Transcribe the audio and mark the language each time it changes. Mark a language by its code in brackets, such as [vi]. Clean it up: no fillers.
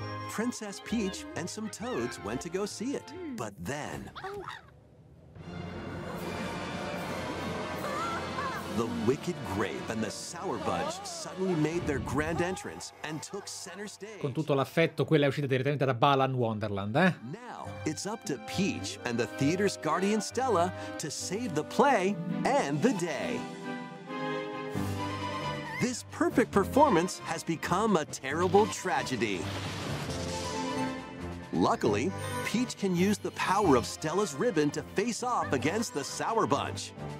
[en] Princess Peach and some toads went to go see it. But then... The Wicked Grape and the Sour Budge suddenly made their grand entrance and took center stage. [it] Con tutto l'affetto, quella è uscita direttamente da Balan Wonderland, eh? [en] Now, it's up to Peach and the theater's guardian Stella to save the play and the day. This perfect performance has become a terrible tragedy. Luckily, Peach can use the power of Stella's ribbon to face off against the Sour Budge.